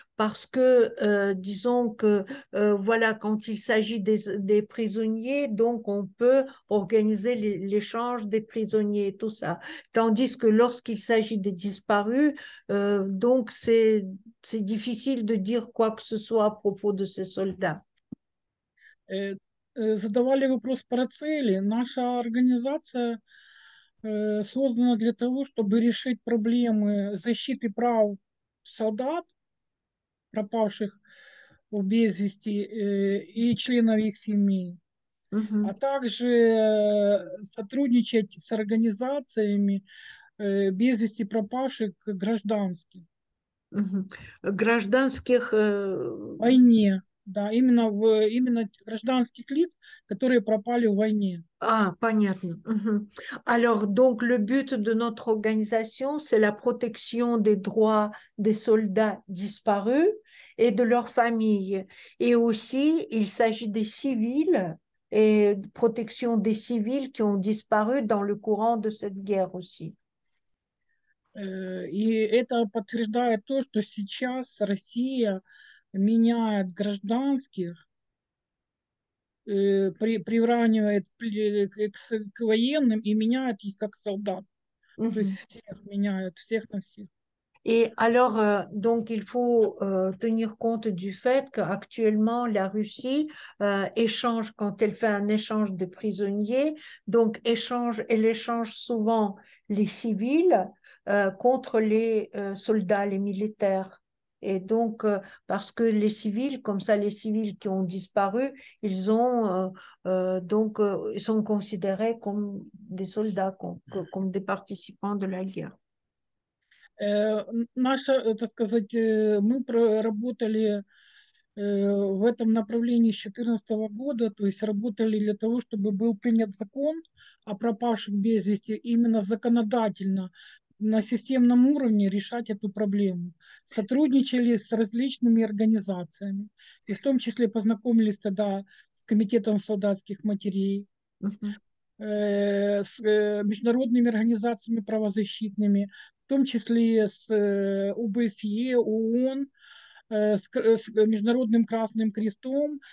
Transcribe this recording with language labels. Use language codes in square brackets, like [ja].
[fr] Parce que, disons que, voilà, quand il s'agit des prisonniers, donc on peut organiser l'échange des prisonniers et tout ça. Tandis que lorsqu'il s'agit des disparus, donc c'est difficile de dire quoi que ce soit à propos de ces soldats. [ru] Задавали вопрос про цели. Наша организация создана для того, чтобы решить проблемы защиты прав солдат, пропавших без вести, и членов их семей, а также сотрудничать с организациями без вести пропавших гражданских. Гражданских... Войне. Да, именно в именно гражданских лиц, которые пропали в войне. А, понятно. [fr] Alors, donc, le but de notre organisation, c'est la protection des droits des soldats disparus et de leurs familles. Et aussi, il s'agit des civils et protection des civils qui ont disparu dans le courant de cette guerre aussi. [ru] И это подтверждает то, что сейчас Россия меняет гражданских, приравнивает к военным и меняет их как солдат. То есть всех меняют, всех на всех. [fr] Et alors, donc, il faut tenir compte du fait qu'actuellement, la Russie échange, quand elle fait un échange de prisonniers, donc échange, elle échange souvent les civils contre les soldats, les militaires. Et donc, parce que les civils, comme ça, les civils qui ont disparu, ils ont donc ils sont considérés comme des soldats, comme des participants de la guerre. [ru] Наша, так сказать, мы проработали в этом направлении с 2014 года, то есть работали для того, чтобы был принят закон о пропавших без вести, именно законодательно. На системном уровне решать эту проблему. Сотрудничали с различными организациями, и в том числе познакомились тогда с Комитетом солдатских матерей, с международными организациями правозащитными, в том числе с ОБСЕ, ООН, с Международным Красным Крестом.